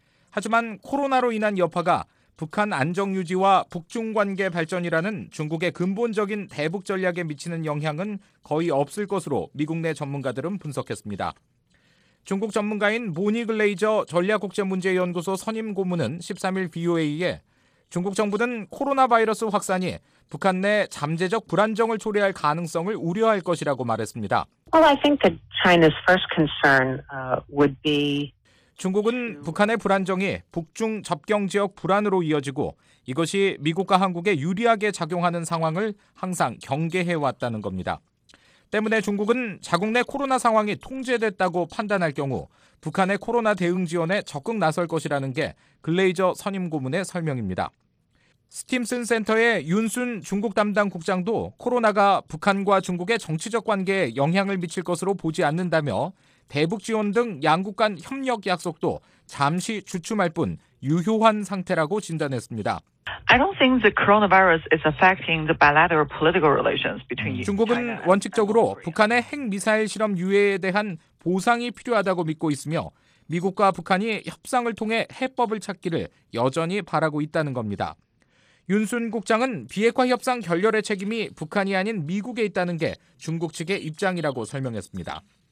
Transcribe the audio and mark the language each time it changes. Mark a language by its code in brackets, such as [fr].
[ko] 하지만 코로나로 인한 여파가 북한 안정 유지와 북중 관계 발전이라는 중국의 근본적인 대북 전략에 미치는 영향은 거의 없을 것으로 미국 내 전문가들은 분석했습니다. 중국 전문가인 모니 글레이저 전략국제문제연구소 선임 고문은 13일 VOA에 중국 정부는 코로나 바이러스 확산이 북한 내 잠재적 불안정을 초래할 가능성을 우려할 것이라고 말했습니다. [en] Well, I think that China's first concern would be [ko] 중국은 북한의 불안정이 북중 접경 지역 불안으로 이어지고 이것이 미국과 한국에 유리하게 작용하는 상황을 항상 경계해왔다는 겁니다. 때문에 중국은 자국 내 코로나 상황이 통제됐다고 판단할 경우 북한의 코로나 대응 지원에 적극 나설 것이라는 게 글레이저 선임 고문의 설명입니다. 스팀슨 센터의 윤순 중국 담당 국장도 코로나가 북한과 중국의 정치적 관계에 영향을 미칠 것으로 보지 않는다며 대북 지원 등 양국 간 협력 약속도 잠시 주춤할 뿐 유효한 상태라고 진단했습니다. [en] I don't think the coronavirus is affecting the bilateral political relations between China. [ko] 중국은 원칙적으로 북한의 핵미사일 실험 유예에 대한 보상이 필요하다고 믿고 있으며 미국과 북한이 협상을 통해 해법을 찾기를 여전히 바라고 있다는 겁니다. 윤순 국장은 비핵화 협상 결렬의 책임이 북한이 아닌 미국에 있다는 게 중국 측의 입장이라고 설명했습니다.